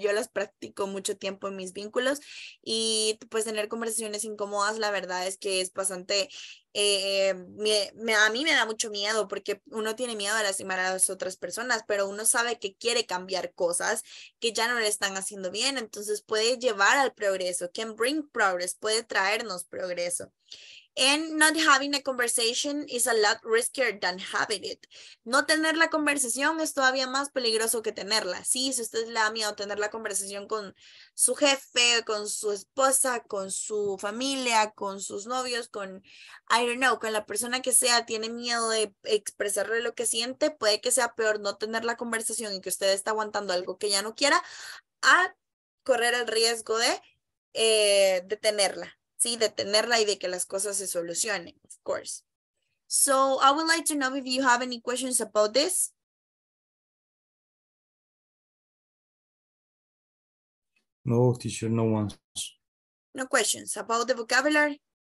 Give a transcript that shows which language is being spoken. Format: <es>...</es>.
<es>Yo las practico mucho tiempo en mis vínculos y pues tener conversaciones incómodas, la verdad es que es bastante, a mí me da mucho miedo porque uno tiene miedo de lastimar a las otras personas, pero uno sabe que quiere cambiar cosas que ya no le están haciendo bien, entonces puede llevar al progreso,</es> <en>can bring progress,</en> <es>puede traernos progreso.</es> <en>And not having a conversation is a lot riskier than having it.</en> <es>No tener la conversación es todavía más peligroso que tenerla. Sí, si usted le da miedo tener la conversación con su jefe, con su esposa, con su familia, con sus novios, con,</es> <en>I don't know,</en> <es>con la persona que sea, tiene miedo de expresarle lo que siente, puede que sea peor no tener la conversación y que usted está aguantando algo que ya no quiera, a correr el riesgo de tenerla. Sí, de tenerla y de que las cosas se solucionen,</es> <en>of course. So, I would like to know if you have any questions about this. No, teacher, no ones. No questions about the vocabulary?</en>